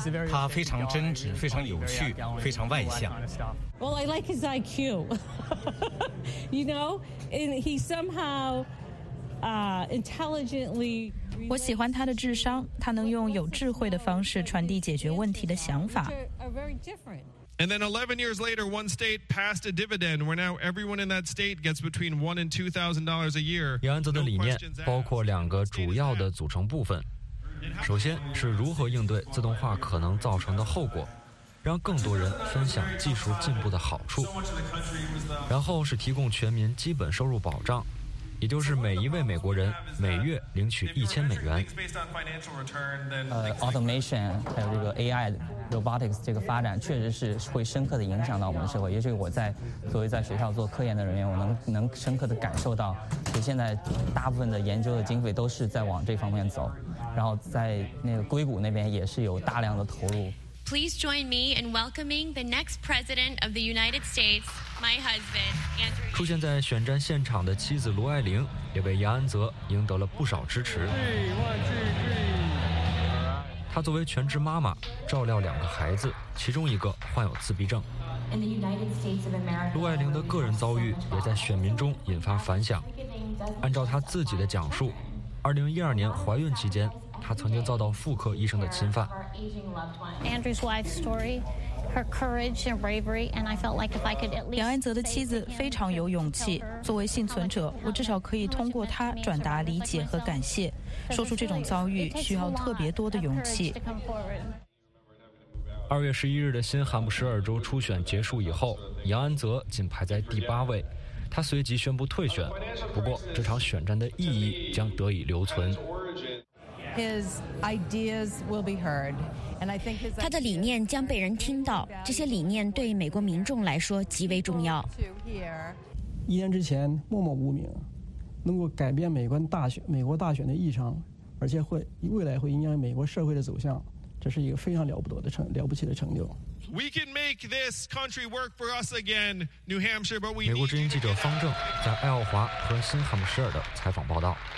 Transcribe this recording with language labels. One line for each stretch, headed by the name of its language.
Chinese: 他非常真挚，非常有趣，非常外向。
English: Well, I like his IQ. You know, and he somehow intelligently.
Chinese: 我喜欢他的智商，他能用有智慧的方式传递解决问题的想法。
English: And then 11 years later, one state passed a dividend where now everyone in that state gets between $1 and $2,000 a year.
Chinese: 杨安泽的理念包括两个主要的组成部分。首先是如何应对自动化可能造成的后果，让更多人分享技术进步的好处，然后是提供全民基本收入保障，也就是每一位美国人每月领取$1,000。 Automation 还有这个 AI robotics 这个发展确实是会深刻的影响到我们社会，也就是我在作为在学校做科研的人员，我能深刻的感受到，就现在大部分的研究的经费都是在往这方面走，然后在那个硅谷那边也是有大量的投入。
English: Please join me in welcoming the next president of the United States, my husband, Andrew.
Chinese: 出现在选战现场的妻子卢爱玲也为杨安泽赢得了不少支持。她作为全职妈妈，照料两个孩子，其中一个患有自闭症。
English: In the United States of America,
Chinese: 卢爱玲的个人遭遇也在选民中引发反响。按照她自己的讲述，2012年怀孕期间，她曾经遭到妇科医生的侵犯。
English: Andrew's wife's story, her courage and bravery, and I felt like if I could at least.
Chinese: 杨安泽的妻子非常有勇气。作为幸存者，我至少可以通过她转达理解和感谢。说出这种遭遇需要特别多的勇气。 2月11日的新罕布什尔州初选结束以后，杨安泽仅排在第八位。他随即宣布退选，不过这场选战的意义将得以留存。他的理念将被人听到，这些理念对美国民众来说极为重要。一年之前默默无名，能够改变美国大选的议程，而且会未来会影响美国社会的走向，这是一个非常了不起的成就。
English: We can make this country work for us again, New Hampshire, but we.
Chinese: 美国之音记者方正在爱奥华和新罕布什尔的采访报道。